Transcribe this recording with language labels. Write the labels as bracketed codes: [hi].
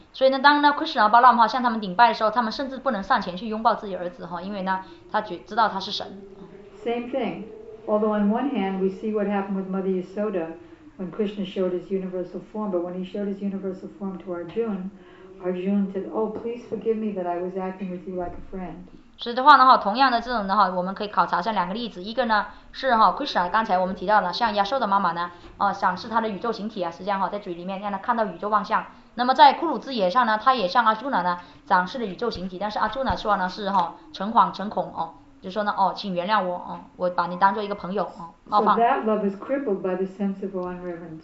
[zh] 所以呢当呢 Krishna 和 Balaram 向他们顶拜的时候，他们甚至不能上前去拥抱自己儿子因为呢他知道他是神。 [en] Same thing. Although on one hand we see what happened with Mother Yasoda when Krishna showed his universal form, but when he showed his universal form to Arjuna said, oh, please forgive me that I was acting with you like a friend. [zh] 所以的话呢同样的这种的我们可以考察像两个例子，一个呢是Krishna 刚才我们提到了像亚瑟的妈妈呢想是他的宇宙形体实际上在嘴里面让他看到宇宙万象，那么在库鲁兹野上呢他也向阿朱娜呢展示了宇宙形体，但是阿朱娜说呢是诚惶诚恐就说呢请原谅我我把你当做一个朋友冒犯。 [en] So that love is crippled by the sense of awe and reverence.